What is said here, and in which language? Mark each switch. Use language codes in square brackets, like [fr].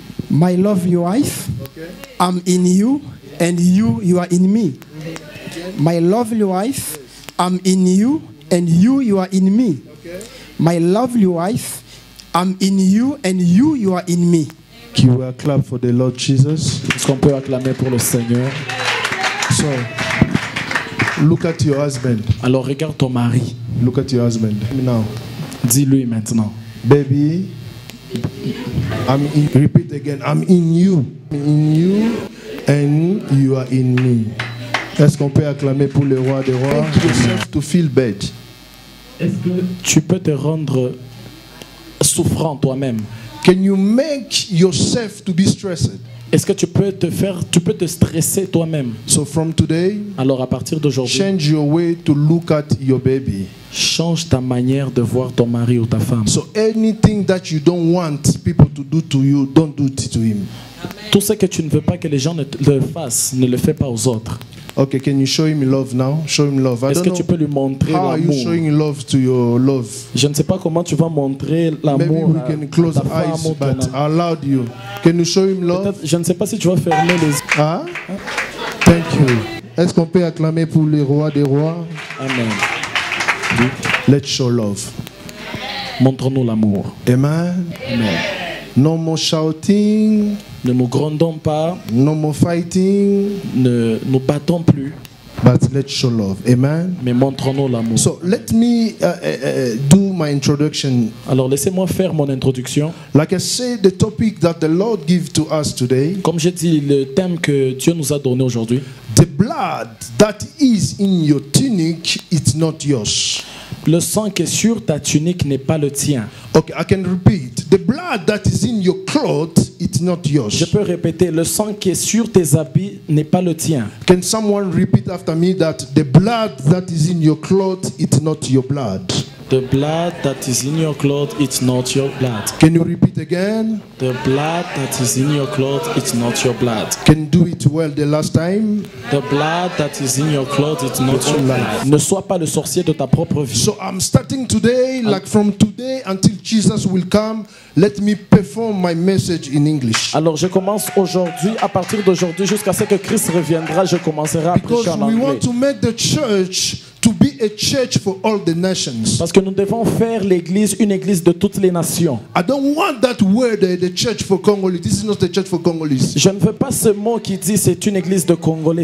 [en] My lovely wife. I'm in you and you are in me. My lovely wife, I'm in you and you are in me. My lovely wife, I'm in you and you are in me. Can we clap for the Lord Jesus? [fr] Est-ce qu'on peut acclamer pour le Seigneur? [en] So, look at your husband. [fr] Alors regarde ton mari. [en] Look at your husband now. [fr] Dis-lui maintenant. [en] Baby. I'm in, repeat again. I'm in you. In you and you are in me. [fr] Est-ce qu'on peut acclamer pour le roi des rois? [en] Take yourself to feel bad. [fr] Est-ce que tu peux te rendre souffrant toi-même? [en] Can you make yourself to be stressed? [fr] Est-ce que tu peux te faire, tu peux te stresser toi-même? [en] So from today, [fr] alors à partir d'aujourd'hui, [en] change your way to look at your baby. [fr] Change ta manière de voir ton mari ou ta femme. [en] So anything that you don't want people to do to you, don't do it to him. [fr] Tout ce que tu ne veux pas que les gens ne le fassent, ne le fais pas aux autres. [en] Okay, can you show him love now? Show him love. [fr] Est-ce que tu peux lui montrer [en] how How are you showing love to your love? [fr] Je ne sais pas comment tu vas montrer l'amour. [en] Maybe we can close eyes, but I allowed you. Can you show him love? [fr] Peut-être, je ne sais pas si tu vas fermer les yeux. [en] Ah? Thank you. [fr] Est-ce qu'on peut acclamer pour le roi des rois? Amen. [en] Let's show love. [fr] Montre-nous l'amour. Amen. Amen. [en] No more shouting. [fr] Ne nous grondons pas. [en] No more fighting. [fr] Ne nous battons plus. [en] But let's show love. Amen. [fr] Mais montrons-nous l'amour. [en] So let me do my introduction. [fr] Alors laissez-moi faire mon introduction. [en] Like I said, the topic that the Lord gives to us today. [fr] Comme j'ai dit, le thème que Dieu nous a donné aujourd'hui. [en] The blood that is in your tunic, it's not yours. [fr] Le sang qui est sur ta tunique n'est pas le tien. [en] Okay, I can repeat. The blood that is in your clothes, it's not yours. [fr] Je peux répéter, le sang qui est sur tes habits n'est pas le tien. [en] Can someone repeat after me that the blood that is in your clothes, it's not your blood? The blood that is in your clothes, it's not your blood. Can you repeat again? The blood that is in your clothes, it's not your blood. Can you do it well the last time? The blood that is in your clothes, it's not your blood. [fr] Ne sois pas le sorcier de ta propre vie. [en] So I'm starting today, like from today until Jesus will come, let me perform my message in English. [fr] Alors je commence aujourd'hui, à partir d'aujourd'hui, jusqu'à ce que Christ reviendra, je commencerai à prêcher en anglais. [en] Because we want to make the church to be a church for all the nations. [fr] Parce que nous devons faire l'église une église de toutes les nations. [en] I don't want that word, the church for Congolese. This is not the church for Congolese. [fr] Je ne veux pas ce mot qui dit c'est une église de Congolais.